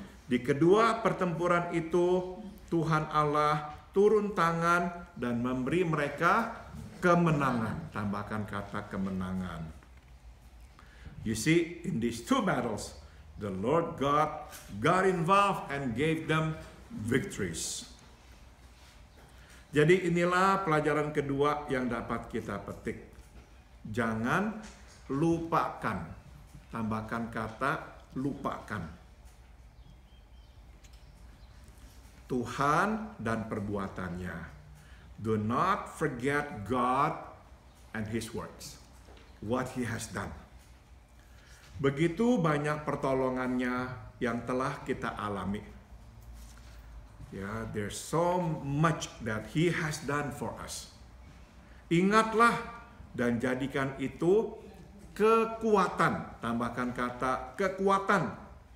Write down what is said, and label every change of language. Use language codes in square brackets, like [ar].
[id] Di kedua pertempuran itu, Tuhan Allah turun tangan dan memberi mereka kemenangan. Tambahkan kata kemenangan. [en] You see, in these two battles, the Lord God got involved and gave them victories. [id] Jadi inilah pelajaran kedua yang dapat kita petik. Jangan lupakan. Tambahkan kata lupakan. Tuhan dan perbuatannya. [en] Do not forget God and His works. What He has done. [id] Begitu banyak pertolongannya yang telah kita alami. [en] Yeah, there's so much that He has done for us. [id] Ingatlah dan jadikan itu kekuatan. Tambahkan kata kekuatan.